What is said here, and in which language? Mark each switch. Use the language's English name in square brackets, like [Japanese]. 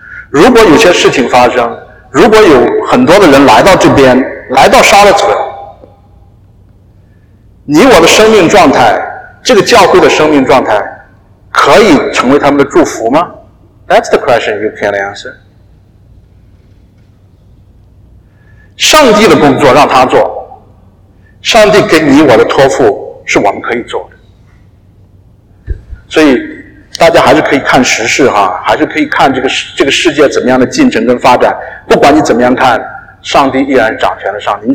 [Chinese] 如果有些事情发生，如果有很多的人来到这边，来到沙勒村，你我的生命状态，这个教会的生命状态可以成为他们的祝福吗？ [English] That's the question you can answer. [Chinese] 上帝的工作让他做，上帝给你我的托付是我们可以做的，所以大家还是可以看时事哈，还是可以看这个世界怎么样的进程跟发展，不管你怎么样看，上帝依然掌权的上帝。